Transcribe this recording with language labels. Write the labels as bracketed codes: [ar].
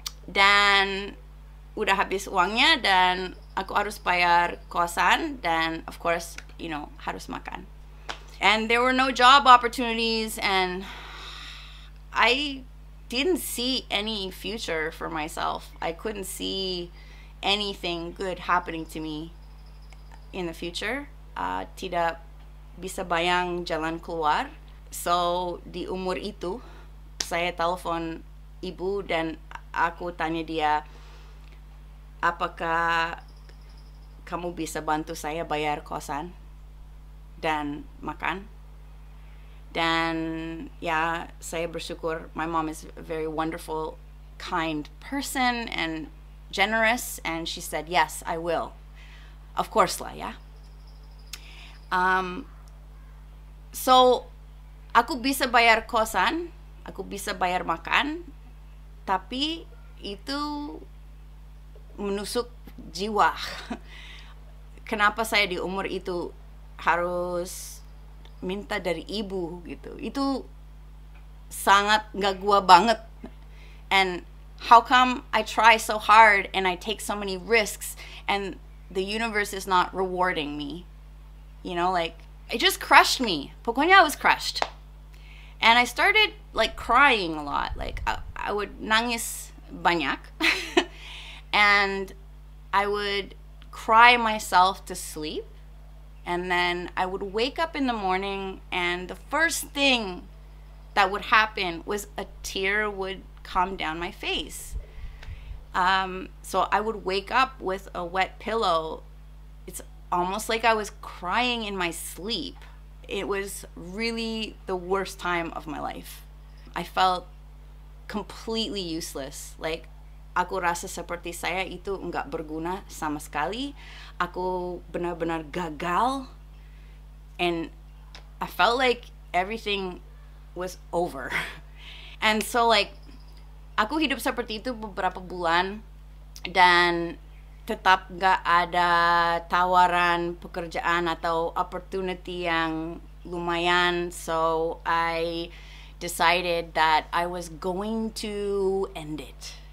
[id] Dan udah habis uangnya dan aku harus bayar kosan dan of course, you know, harus makan. [en] And there were no job opportunities and I didn't see any future for myself. I couldn't see anything good happening to me in the future. [id] Tidak bisa bayang jalan keluar. So, di umur itu, saya telepon ibu dan aku tanya dia, apakah kamu bisa bantu saya bayar kosan dan makan? Dan ya, saya bersyukur. [en] My mom is a very wonderful, kind person and generous. And she said, yes, I will. Of course lah, ya. [id] So, aku bisa bayar kosan. Aku bisa bayar makan. Tapi itu menusuk jiwa. Kenapa saya di umur itu harus minta dari ibu gitu. Itu sangat gak gua banget. [en] And how come I try so hard and I take so many risks and the universe is not rewarding me? You know, like, it just crushed me. Pokoknya I was crushed. And I started, like, crying a lot. Like, I would nangis banyak. And I would cry myself to sleep. And then I would wake up in the morning and the first thing that would happen was a tear would come down my face. So I would wake up with a wet pillow. It's almost like I was crying in my sleep. It was really the worst time of my life. I felt completely useless. [id] Like, aku rasa seperti saya itu enggak berguna sama sekali. [en] Aku benar-benar gagal. And I felt like everything was over. [id] And so, like, aku hidup seperti itu beberapa bulan. dan tetap gak ada tawaran pekerjaan atau opportunity yang lumayan. [en] So I decided that I was going to end it.